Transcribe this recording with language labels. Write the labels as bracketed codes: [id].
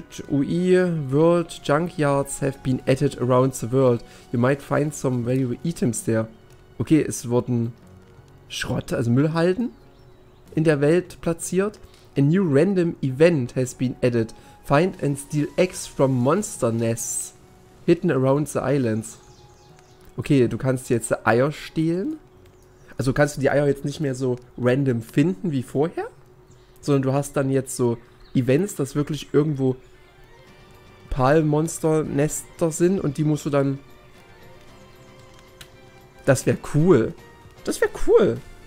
[en] UI World Junkyards have been added around the world. You might find some valuable items there. [de] Okay, es wurden Schrott, also Müllhalden in der Welt platziert. [en] A new random event has been added. Find and steal eggs from monster nests hidden around the islands. [de] Okay, du kannst jetzt Eier stehlen. Also kannst du die Eier jetzt nicht mehr so random finden wie vorher, sondern du hast dann jetzt so Events, dass wirklich irgendwo Palmmonster-Nester sind und die musst du dann... Das wäre cool. Das wäre cool.